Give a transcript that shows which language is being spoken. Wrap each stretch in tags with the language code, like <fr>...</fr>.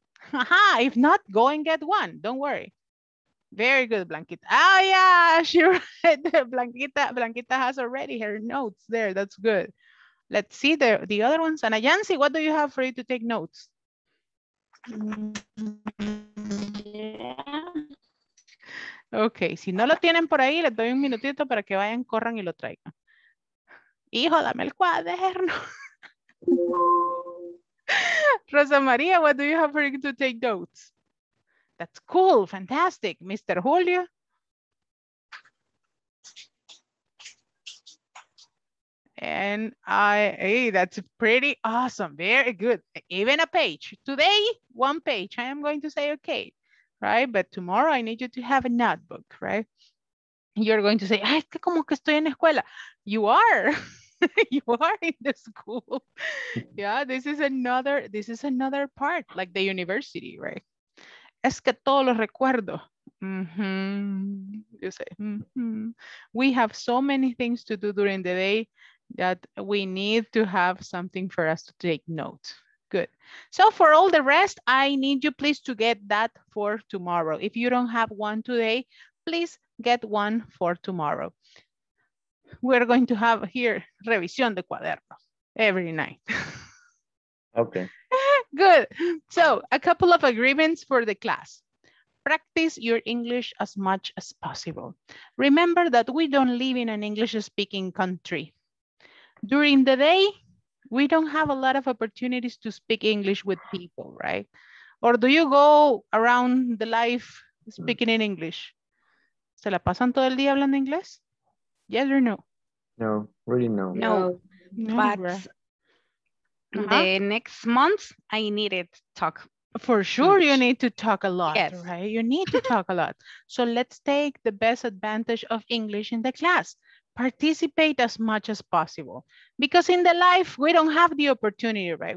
<en>Haha, if not, go and get one. Don't worry. Very good, Blanquita. Oh yeah, she read Blanquita. Blanquita has already her notes there. That's good. Let's see the other ones. Ana Yancy, what do you have for you to take notes? Yeah.</en> <es>Okay, si no lo tienen por ahí, les doy un minutito para que vayan, corran y lo traigan. Hijo, dame el cuaderno.</es> <en>Rosa María, what do you have for you to take notes? That's cool, fantastic. Mr. Julio. And hey, that's pretty awesome. Very good. Even a page. Today, one page. I am going to say okay, right? But tomorrow I need you to have a notebook, right? You're going to say,</en> <es>ay, es que como que estoy en la escuela.</es> <en>You are. You are in the school. Yeah, this is another part, like the university, right?</en> <es>Es que todo lo recuerdo.</es> <en>You say, We have so many things to do during the day that we need to have something for us to take note. Good. So for all the rest, I need you please to get that for tomorrow. If you don't have one today, please get one for tomorrow. We're going to have here</en> <es>revisión de cuadernos</es> <en>every night. Okay. Good. So a couple of agreements for the class. Practice your English as much as possible. Remember that we don't live in an English speaking country. During the day, we don't have a lot of opportunities to speak English with people, right? Or do you go around the life speaking in English?</en> <es>¿Se la pasan todo el día hablando inglés?</es> <en>Yes or no? No, really no. No. but the next month I needed to talk. For sure, you need to talk a lot, yes. Right? You need to talk a lot. So let's take the best advantage of English in the class. Participate as much as possible. Because in the life, we don't have the opportunity, right?</en>